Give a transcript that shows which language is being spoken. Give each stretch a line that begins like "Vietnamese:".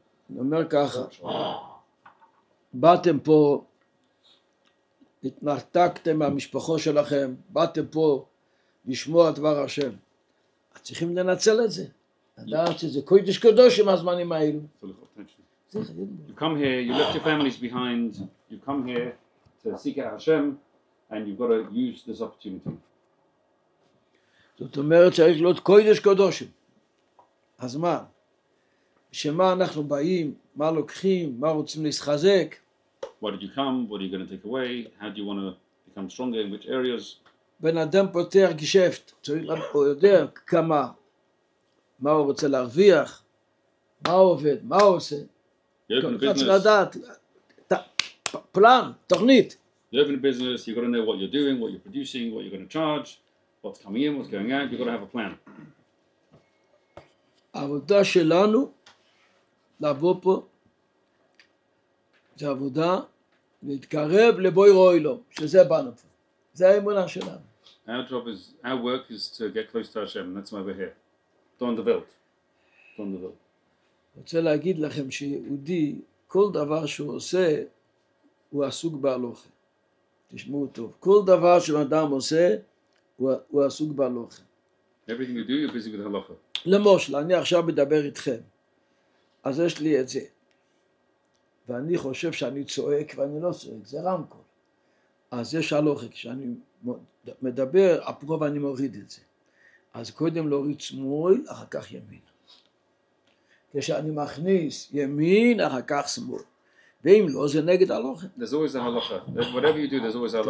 Hebrew: אני אומר ככה, באתם פה, התנתקתם מהמשפחות שלכם, באתם פה לשמוע דבר השם. את צריכים לנצל את זה. לדעת שזה קודש קודש עם הזמנים האלו.
English: You come here, you left your families behind, you come here to seek out Hashem, and you've got to use this opportunity.
Hebrew: זאת אומרת שיש לו את קודש קודש. אז מה? שמה אנחנו באים, מה לוקחים, מה רוצים להתחזק?
English: Why did you come? What are you going to take away? How do you want to become stronger? In which areas?
Hebrew: בן אדם פותח גשפט, צריך לדעת הוא יודע כמה, מה הוא רוצה להרוויח, מה הוא עובד, מה הוא עושה.
English: You open a business. Plan, תוכנית. You open a business, you've got to know what you're doing, what you're producing, what you're going to charge, what's coming in, what's going out, you've got to have a plan.
Hebrew: העבודה שלנו, לבוא פה, זה עבודה, להתקרב לבורא עולם, שזה בנו פה. זה האמונה שלנו.
English: Our work is to get close to Hashem, that's why we're here. Don't develop.
Hebrew: רוצה להגיד לכם שיהודי, כל דבר שהוא עושה, הוא עסוק בהלוכה. תשמעו טוב. כל דבר שאדם עושה, הוא עסוק בהלוכה.
English: Everything you do, you're busy with הלוכה.
Hebrew: למשל, אני עכשיו מדבר איתכם. אז יש לי את זה. ואני חושב שאני צועק, ואני לא צועק. זה רמקול. אז יש הלוכה. כשאני מדבר, אפרו ואני מוריד את זה. אז קודם להוריד שמאל, אחר כך ימין. כשאני מכניס ימין, אחר כך שמאל. ואם לא, זה נגד הלוכה.
English: There's always a halacha. Whatever you do, there's always a halacha.